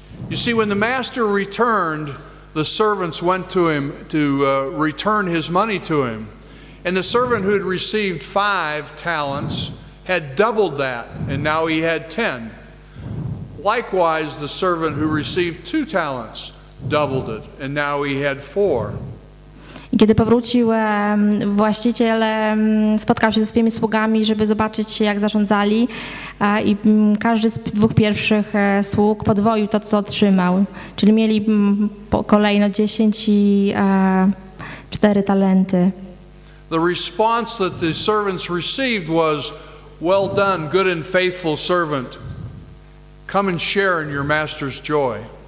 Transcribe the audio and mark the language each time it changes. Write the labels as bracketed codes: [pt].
[en] You see, when the master returned, the servants went to him to return his money to him. And the servant who had received 5 talents had doubled that, and now he had 10. Likewise, the servant who received 2 talents doubled it, and now he had 4. [pl] I kiedy powrócił właściciel, spotkał się ze swoimi sługami, żeby zobaczyć, jak zarządzali, i każdy z 2 pierwszych sług podwoił to, co otrzymał. Czyli mieli kolejno 10 i 4 talenty. [en] The response that the servants received was, "Well done, good and faithful servant. Come and share in your master's joy."